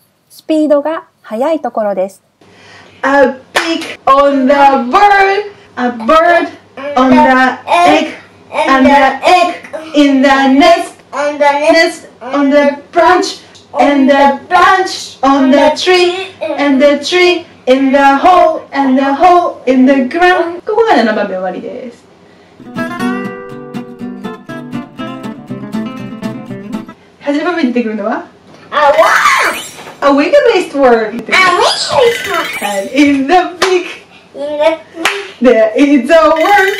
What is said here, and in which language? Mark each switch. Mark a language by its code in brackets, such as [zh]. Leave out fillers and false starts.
[ja] スピードが速いところです。 [en] A beak on the bird, a bird on the egg, and the egg in the nest, and the nest on the branch, and the branch on the tree, and the tree in the hole, and the hole in the ground. [ja] ここまで7番目終わりです。 8番目に出てくるのは [en] A worm! A wiggly-list worm! A wiggly-list worm! And in the beak In the beak There is a worm!